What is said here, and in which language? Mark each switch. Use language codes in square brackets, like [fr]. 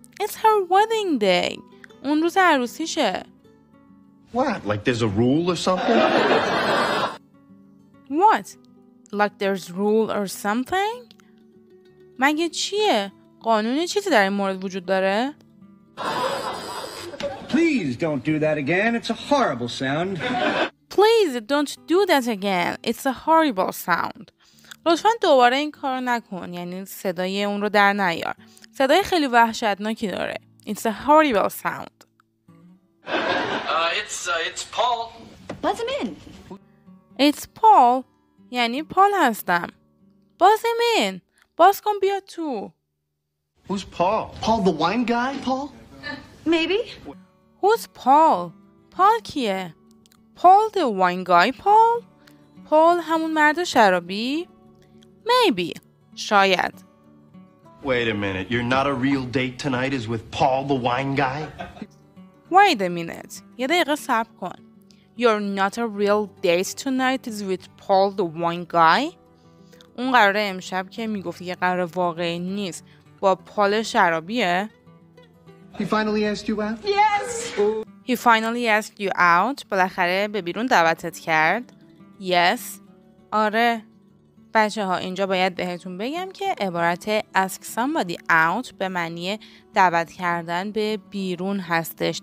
[en] It's her wedding day. [fa] اون روز عروسیشه. [en] What? Like there's a rule or something? What? Like there's rule or something? [fa] مگه چیه؟ قانون چیزی در این مورد وجود داره؟ [en] Please don't do that again. It's a horrible sound. [fa] لطفاً دوباره این کارو نکن، یعنی صدای اون رو در نیار. صدای خیلی وحشتناکی داره. [en] It's a horrible sound. It's Paul. Let him in. It's Paul. [fa] یعنی پال هستم. بازم این. باز کن بیا تو. [en] Who's Paul? Paul the wine guy, Paul? Maybe. Who Who's Paul? Paul کیه؟ Paul the wine guy Paul? [fa] Paul همون مرد شرابی؟ Maybe. شاید. [en] Wait a minute. You're not a real date tonight is with Paul the wine guy? Wait a minute. [fa] یه دقیقه صبر کن. [en] You're not a real date tonight is with Paul the wine guy? [fa] اون قراره امشب که میگفت یه قرار واقعی نیست با پال شرابیه؟ [en] He finally asked you out? Yes. He finally asked you out. [fa] بالاخره به بیرون دعوتت کرد. [en] Yes. آره. [fa] بچه ها اینجا باید بهتون بگم که عبارت ask somebody out به معنی دعوت کردن به بیرون هستش.